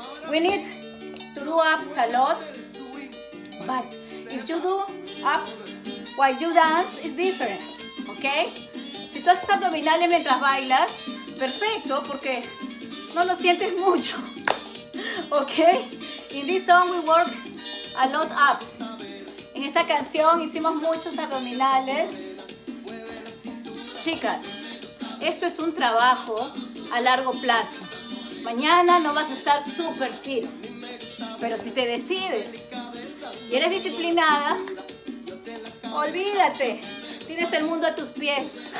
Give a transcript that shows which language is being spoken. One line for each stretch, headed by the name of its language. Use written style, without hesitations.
English: We need to do ups a lot, but if you do up while you dance, it's different, okay?
Spanish: Si tú haces abdominales mientras bailas, perfecto, porque no lo sientes mucho, okay?
English: In this song we work a lot ups.
Spanish: En esta canción hicimos muchos abdominales. Chicas, esto es un trabajo a largo plazo. Mañana no vas a estar super fit, pero si te decides y eres disciplinada, olvídate, tienes el mundo a tus pies.